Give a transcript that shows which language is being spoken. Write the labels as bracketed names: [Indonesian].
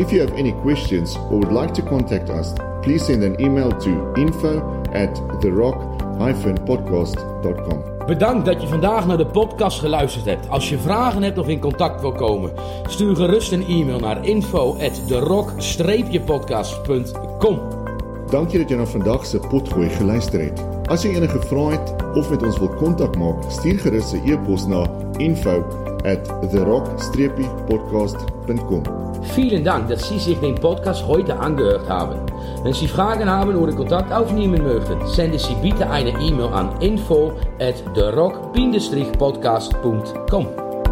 [English] If you have any questions or would like to contact us, please send an email to info@therock-podcast.com. [Dutch] Bedankt dat je vandaag naar de podcast geluisterd hebt. Als je vragen hebt of in contact wil komen, stuur gerust een e-mail naar info@therock-podcast.com. [Afrikaans] Dank je dat je naar vandaagse potgooi geluisterd hebt. Als je enige vraag hebt of met ons wil contact maken, stuur gerust een e-post naar info@therock-podcast.com. [German] Vielen Dank, dass Sie sich dem Podcast heute angehört haben. Wenn Sie Fragen haben oder Kontakt aufnehmen möchten, senden Sie bitte eine E-Mail an info@therock-podcast.com.